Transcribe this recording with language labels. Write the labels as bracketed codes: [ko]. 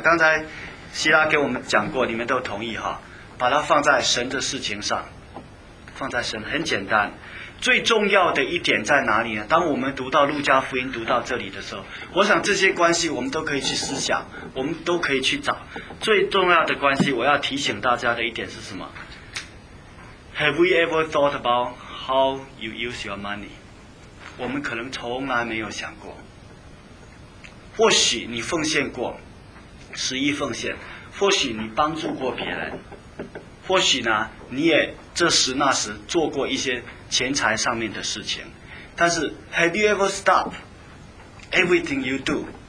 [zh] 刚才希拉给我们讲过，你们都同意哈，把它放在神的事情上，放在神很简单。最重要的一点在哪里呢？当我们读到路加福音读到这里的时候，我想这些关系我们都可以去思想，我们都可以去找。最重要的关系我要提醒大家的一点是什么？ [en] Have we ever thought about how you use your money? [zh] 我们可能从来没有想过。或许你奉献过十一奉献，或许你帮助过别人，或许呢你也这时那时做过一些钱财上面的事情，但是 [en] Have you ever stopped everything you do?